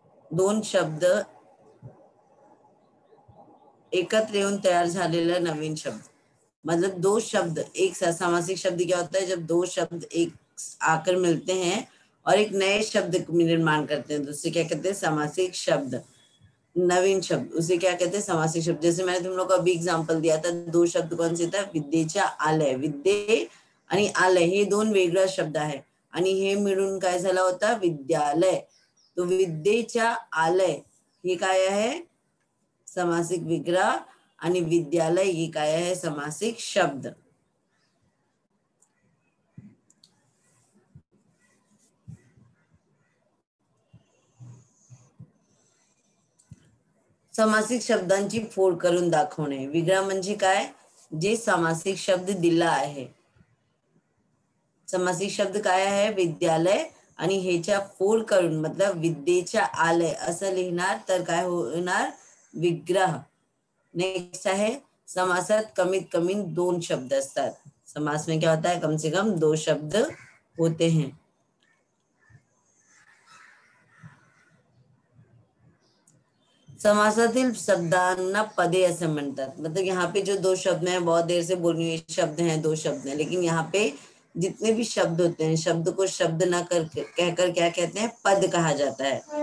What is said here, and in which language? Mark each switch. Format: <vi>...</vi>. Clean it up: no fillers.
<mr>दोन शब्द एकत्र येऊन तयार झालेला नवीन शब्द,</mr> <hi>मतलब दो शब्द एक साथ। सामासिक शब्द क्या होता है, जब दो शब्द एक आकर मिलते हैं और एक नए शब्द निर्माण करते हैं, तो उसे क्या कहते हैं, सामासिक शब्द। नवीन शब्द उसे क्या कहते हैं, सामासिक शब्द। जैसे मैंने तुम लोग को अभी एग्जाम्पल दिया था, दो शब्द कौन से था, विद्येचा आलय, विद्ये आणि आलय,</hi> <mr>हे दोन वेगळा शब्द आहे, आणि हे मिळून काय झाला होता,</mr> <hi>विद्यालय।</hi> <mr>तो विद्येचा आलय हे काय आहे, सामासिक विग्रह, आणि विद्यालय हे काय आहे, सामासिक शब्द। सामासिक शब्दांची फोड करून दाखवणे। विग्रह म्हणजे काय, जे सामासिक शब्द दिला आहे, समासिक शब्द काय आहे, विद्यालय, आणि हेचा फोड करून मतलब विद्येचा आलय असं लिहिणार तर काय होणार, विग्रह। नेक्स्ट आहे समासात कमीत कमी दोन शब्द असतात।</mr> <hi>समास में क्या होता है, कम से कम दो शब्द होते हैं।</hi> <mr>समासातील शब्दांना पदे असे म्हणतात.</mr> <hi>मतलब यहाँ पे जो दो शब्द हैं, बहुत देर से बोल रही हूँ, शब्द हैं, दो शब्द हैं, लेकिन यहाँ पे जितने भी शब्द होते हैं, शब्द को शब्द ना कर कहकर क्या कहते हैं, पद कहा जाता है.</hi>